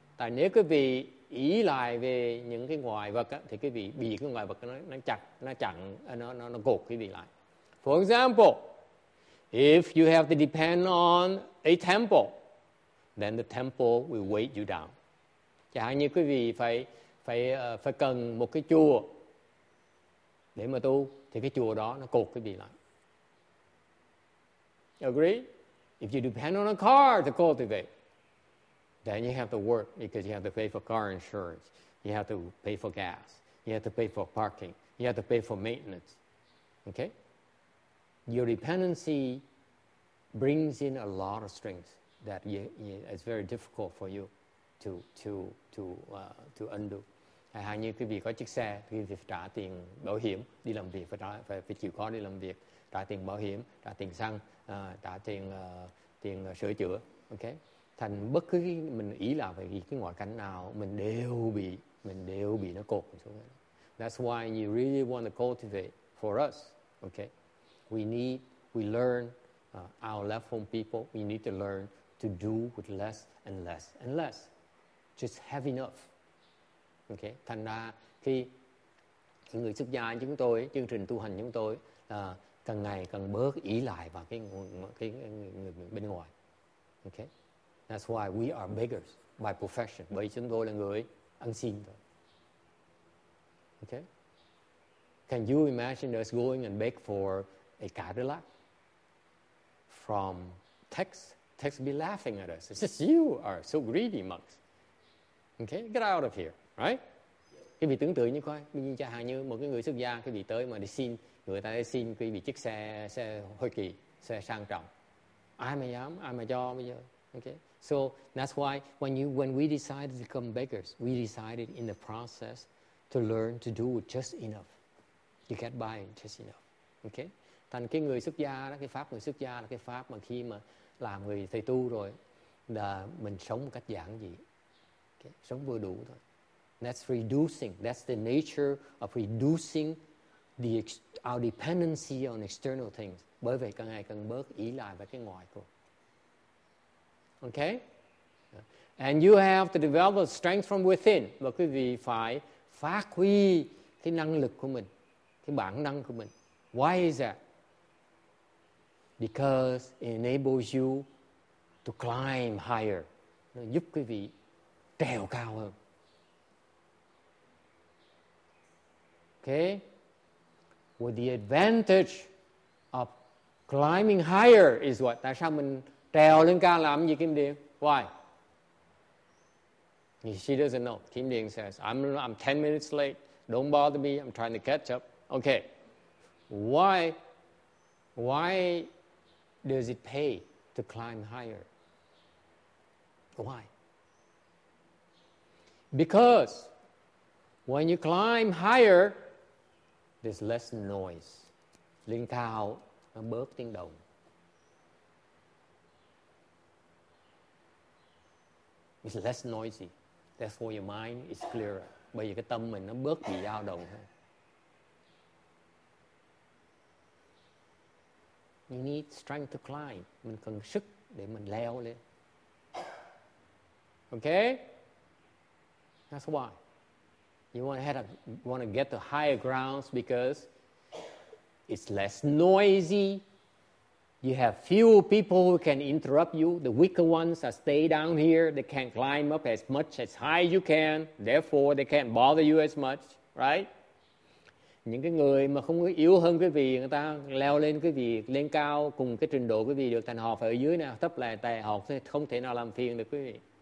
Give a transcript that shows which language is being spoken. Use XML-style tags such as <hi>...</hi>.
<vi>Tại nếu quý vị ý lại về những cái ngoại vật á, thì quý vị bị cái ngoại vật nó chặn, nó cột quý vị lại.</vi> <en>For example, if you have to depend on a temple, then the temple will weigh you down.</en> <vi>Chẳng hạn như quý vị phải cần một cái chùa để mà tu, thì cái chùa đó nó cột quý vị lại.</vi> <en>Agree? If you depend on a car to cultivate, then you have to work because you have to pay for car insurance, you have to pay for gas, you have to pay for parking, you have to pay for maintenance. Okay? Your dependency brings in a lot of strings that it's very difficult for you to undo.</en> <vi>Hay như quý vị có chiếc xe, quý vị phải trả tiền bảo hiểm đi làm việc, phải chịu khó đi làm việc, trả tiền bảo hiểm, trả tiền xăng, trả tiền tiền sửa chữa. Okay, thành bất cứ mình ý là về cái ngoại cảnh nào, mình đều bị nó cột.</vi> <en>That's why you really want to cultivate for us. Okay, we learn. Our left home people, we need to learn to do with less and less and less. Just have enough. Okay?</en> <vi>Thành ra khi người xuất gia chúng tôi, chương trình tu hành chúng tôi càng ngày càng bớt ý lại vào cái người bên ngoài. Okay?</vi> <en>That's why we are beggars by profession.</en> <vi>Bởi chúng tôi là người ăn xin.</vi> <en>Okay? Can you imagine us going and beg for a Cadillac? From text be laughing at us. It's just you are so greedy monks. Okay, get out of here, right?</en> <vi>Cái vị tưởng tượng như coi, như cha hàng như một cái người xuất gia, cái vị tới mà đi xin, người ta đi xin cái vị chiếc xe hơi kỳ, xe sang trọng. Ai mà cho bây giờ?</vi> <en>Okay, so that's why when we decided to become beggars, we decided in the process to learn to do just enough. You get by just enough. Okay.</en> <vi>Thành cái người xuất gia đó, cái pháp người xuất gia là cái pháp mà khi mà làm người thầy tu rồi là mình sống một cách giản dị. Okay? Sống vừa đủ thôi.</vi> <en>That's reducing. That's the nature of reducing our dependency on external things.</en> <vi>Bởi vậy càng ngày càng bớt ý lại về cái ngoài thôi.</vi> <en>Okay? And you have to develop a strength from within.</en> <vi>Và quý vị phải phát huy cái năng lực của mình, cái bản năng của mình.</vi> <en>Why is that? Because it enables you to climb higher.</en> <vi>Nó giúp quý vị trèo cao hơn.</vi> <en>Okay? With the advantage of Climbing higher is what?</en> <vi>Tại sao mình trèo lên cao làm gì Kim Điền?</vi> <en>Why? She doesn't know. Kim Điền says, I'm 10 minutes late. Don't bother me. I'm trying to catch up. Okay. Why does it pay to climb higher? Why? Because when you climb higher, there's less noise.</en> <vi>Lên cao nó bớt tiếng động.</vi> <en>It's less noisy. Therefore, your mind is clearer.</en> <vi>Bởi vì cái tâm mình nó bớt bị dao động hơn.</vi> <en>You need strength to climb.</en> <vi>Mình cần sức để mình leo lên.</vi> <en>Okay? That's why. You want to get to higher grounds because it's less noisy. You have fewer people who can interrupt you. The weaker ones are stay down here. They can't climb up as much as high as you can. Therefore, they can't bother you as much, right?</en> <vi>Những cái người mà không có yếu hơn quý vị, người ta leo lên quý vị, lên cao cùng cái trình độ quý vị được, thành họ phải ở dưới nào, thấp lại tè họ không thể nào làm phiền được quý vị.</vi>